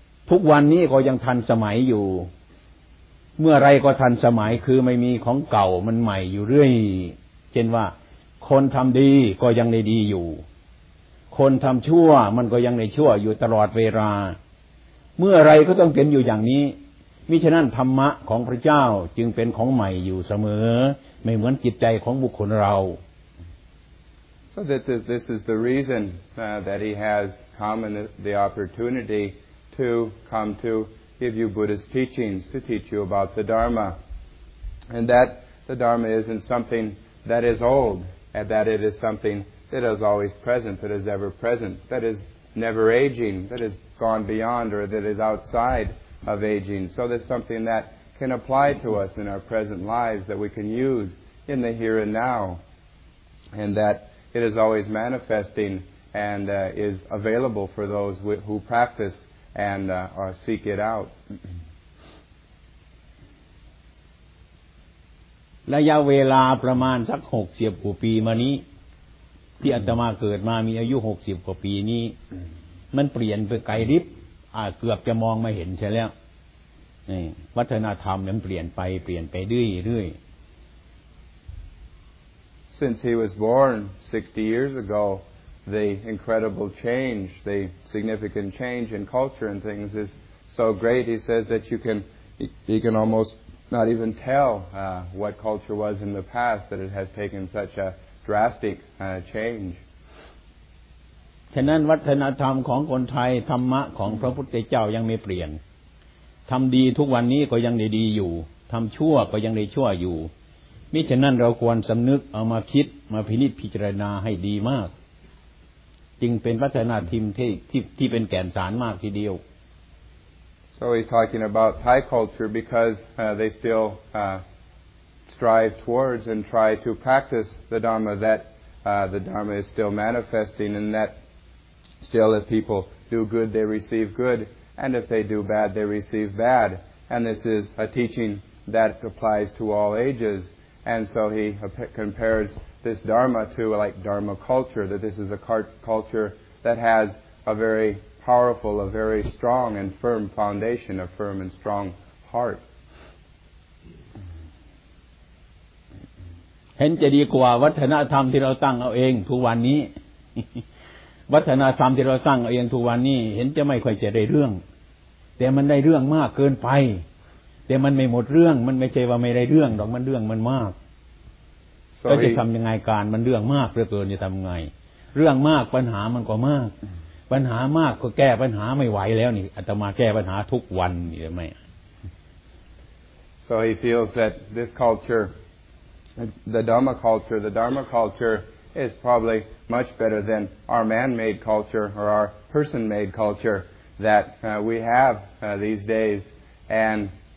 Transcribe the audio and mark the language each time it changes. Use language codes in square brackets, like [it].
[th] ทุกวันนี้ก็ยังทันสมัยอยู่เมื่อไรก็ทันสมัยคือไม่มีของเก่ามันใหม่อยู่เรื่อยเช่นว่าคนทำดีก็ยังในดีอยู่คนทำชั่วมันก็ยังในชั่วอยู่ตลอดเวลาเมื่อไรก็ต้องเป็นอยู่อย่างนี้มิฉะนั้นธรรมะของพระเจ้าจึงเป็นของใหม่อยู่เสมอไม่เหมือนจิตใจของบุคคลเรา [en] So that this is the reason that he has come and the opportunity to come toGive you Buddhist teachings to teach you about the Dharma, and that the Dharma isn't something that is old, and that it is something that is always present, that is ever present, that is never aging, that has gone beyond or that is outside of aging. So there's something that can apply to us in our present lives that we can use in the here and now, and that it is always manifesting and is available for those who practice and seek it out. [th] ระยะเวลาประมาณสัก60กว่าปีมานี้ที่อาตมาเกิดมามีอายุ60กว่าปีนี้มันเปลี่ยนไปไกลริบเกือบจะมองไม่เห็นใช่แล้ววัฒนธรรมมันเปลี่ยนไปเปลี่ยนไปเรื่อย [en] ๆ Since he was born 60 years ago, the incredible change, the significant change in culture and things is so great, he says that you can almostNot even tell what culture was in the past, that it has taken such a drastic change. [th] ฉะนั้นวัฒนธรรมของคนไทยธรรมะของพระพุทธเจ้ายังไม่เปลี่ยนทำดีทุกวันนี้ก็ยังได้ดีอยู่ทำชั่วก็ยังได้ชั่วอยู่มิฉะนั้นเราควรสำนึกเอามาคิดมาพินิจพิจารณาให้ดีมากจึงเป็นวัฒนธรรมที่เป็นแก่นสารมากทีเดียว [en] So he's talking about Thai culture because they still strive towards and try to practice the Dharma that the Dharma is still manifesting and that still if people do good, they receive good. And if they do bad, they receive bad. And this is a teaching that applies to all ages. And so he compares this Dharma to like Dharma culture, that this is a culture that has a very... powerful, a very strong and firm foundation, a firm and strong heart. [th] เห็นจะดีกว่าวัฒนธรรมที่เราตั้งเอาเองทุกวันนี้วัฒนธรรมที่เราตั้งเอาเองทุกวันนี้เห็นจะไม่ค่อยจะได้เรื่องแต่มันได้เรื่องมากเกินไปแต่มันไม่หมดเรื่องมันไม่ใช่ว่าไม่ได้เรื่องหรอกมันเรื่องมันมากก็จะทำยังไงการมันเรื่องมากเหลือเกินจะทำไงเรื่องมากปัญหามันก็มากปัญหามากก็แก้ปัญหาไม่ไหวแล้วนี่อาตมาแก้ปัญหาทุกวันนี่ได้มั้ย [en] So he feels that this culture the Dharma culture is probably much better than our man-made culture or our person-made culture that we have these days and